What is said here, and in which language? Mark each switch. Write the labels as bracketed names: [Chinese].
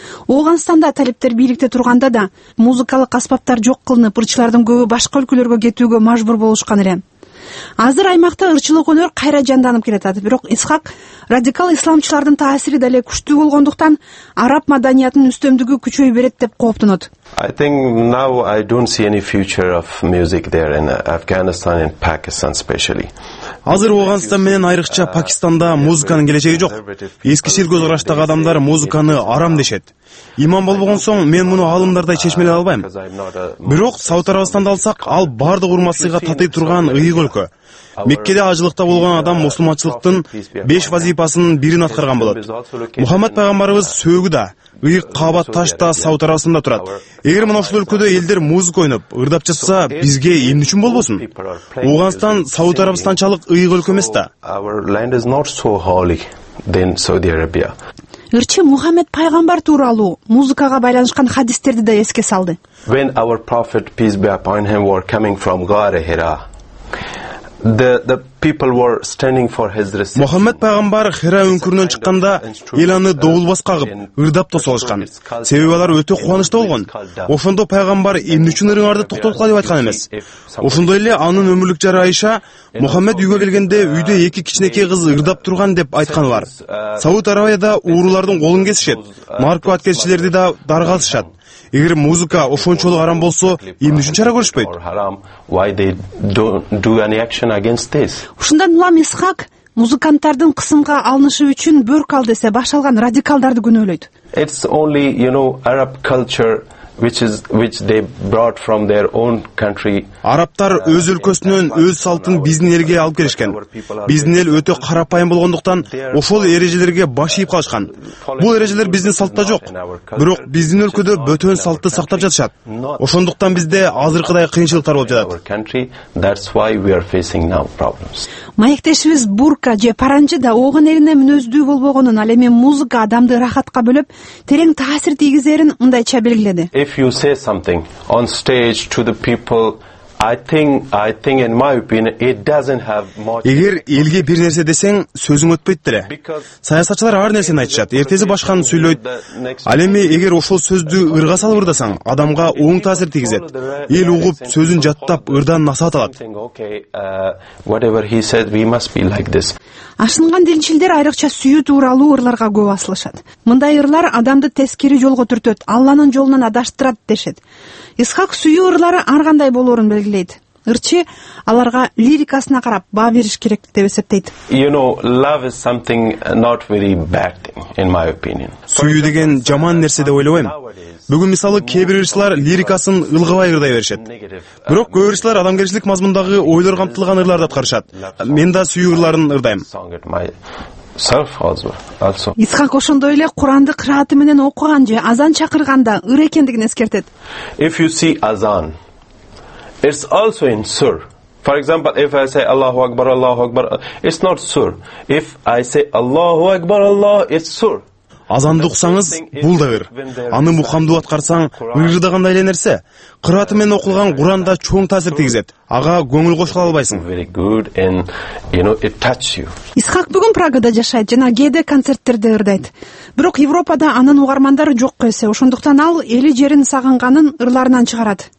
[Kyrgyz] Ооганстанда талиптер бийликте турганда да музыкалык аспаптар жок кылынып, ырчылардын көбү башка өлкөлөргө кетүүгө мажбур болушкан эле. Азыр аймакта ырчылык өнөр кайра жанданып келатат. Бирок Исхак радикал исламчылардын таасири деле күчтүү болгондуктан араб маданиятынын үстөмдүгү күчөй берет деп кооптонот. [English] I think now I don't see any future of music there in Afghanistan and Pakistan especially. [Kyrgyz] Азыр Ооганстан менен айрыкча Пакистанда музыканын келечеги жок. Эскишил көз караштагы адамдар музыканы арам дешет. Имам болбогон соң мен муну аалымдардай чечмеле албайм. Бирок Сауд Арабистанды алсак, ал бардык урмасыйга татый турган ыйык өлкө. Меккеде ажылыкта болгон адам мусулманчылыктын 5 вазипасынын бирин аткарган болот. Мухаммад пайгамбарыбыз сөөгү да, ыйык каабат таш да Сауд Арабистанда турат. Эгер мына ушул өлкөдө элдер музыка ойноп, ырдап жатса, бизге эмне үчүн болбосун? Ооганстан Сауд Арабистанчалык ыйык өлкө эмес да. Ырчы Мухаммед пайгамбар тууралуу музыкага байланышкан хадистерди да эске салды. [English] When our prophet peace be upon him were coming from Ghar Hira, the people were standing for his reception. [Kyrgyz] Мухаммед пайгамбар Хира өңкүрүнөн чыкканда эл аны доол бас кагып, ырдап тосолушкан. Себеби алар өтө кубанычта болгон. Ошондо пайгамбар эмне үчүн ырыңарды токтоткула деп айткан эмес. Ошондой эле анын өмүрлүк жары Айша Мухаммед үйгө келгенде үйдө эки кичинекей кыз ырдап турган деп айтканы бар. Сауд Арабияда уурулардын колун кесишет. Марко аткерчилерди да дарга алышат. Эгер музыка ошончолук арам болсо, эмне үчүн чара көрүшпөйт? [English] Why they don't do any action against this? [Kyrgyz] Ушундан улам Исхак музыканттардын кысымга алынышы үчүн бөрк ал десе баш алган радикалдарды күнөөлөйт. [English] It's only, you know, Arab culture which they brought from their own country. [Kyrgyz] Арабтар өз өлкөсүнөн өз салтын биздин элге алып келишкен. Биздин эл өтө карапайым болгондуктан ошол эрежелерге баш ийип калышкан. Бул эрежелер биздин салтта жок. Бирок биздин өлкөдө бөтөн салтты сактап жатышат. Ошондуктан бизде азыркыдай кыйынчылыктар болуп жатат. [English] That's why we are facing now problems. [Kyrgyz] Маектешибиз бурка же паранжы да ооган элине мүнөздүү болбогонун, ал эми музыка адамды рахатка бөлөп, терең таасир тийгизэрин мындайча белгиледи. [English] If you say something on stage to the people, I think in my opinion it doesn't have much. [Kyrgyz] Эгер элге бир нерсе десең, сөзүң өтпөйт деле. Саясатчылар ар нерсени айтышат, эртеси башканы сүйлөйт. Ал эми эгер ошол сөздү ырга салып ырдасаң, адамга оң таасир тийгизет. Эл угуп, сөзүн жаттап, ырдан насаат алат. [English] Whatever he said, we must be like this. [Kyrgyz] Ашынган динчилдер айрыкча сүйүү тууралуу ырларга көп асылышат. Мындай ырлар адамды тескери жолго түртөт, Алланын жолунан адаштырат дешет. Исхак сүйүү ырлары ар кандай болорун белгилейт. Ырчы аларга лирикасына карап баа бериш керек деп эсептейт. [English] You know, love is something not very bad thing in my opinion. [Kyrgyz] Сүйүү деген жаман нерсе деп ойлобойм. Бүгүн мисалы кээ бир ырчылар лирикасын ылгыбай ырдай беришет. Бирок көп ырчылар адамгерчилик мазмундагы ойлор камтылган ырларды аткарышат. Мен да сүйүү ырларын ырдайм. Исхак ошондой эле Куранды кыраати менен окуган же азан чакырганда ыр экендигин эскертет. [English] If you see azan, it's also in sur. For example, if I say Allahu Akbar, Allahu Akbar, it's not sur. If I say Allahu Akbar, Allah, it's sur. [Kyrgyz] Азанды уксаңыз, бул да ыр. Аны мухамдуу аткарсаң, ырдагандай эле нерсе. Кыраат менен окулган Куран да чоң таасир тийгизет. Ага көңүл кошула албайсың. Исхак бүгүн Прагада жашайт жана кээде концерттерде ырдайт. Бирок Европада анын угармандары жок эсе, ошондуктан ал эли жерин сагынганын ырларынан чыгарат.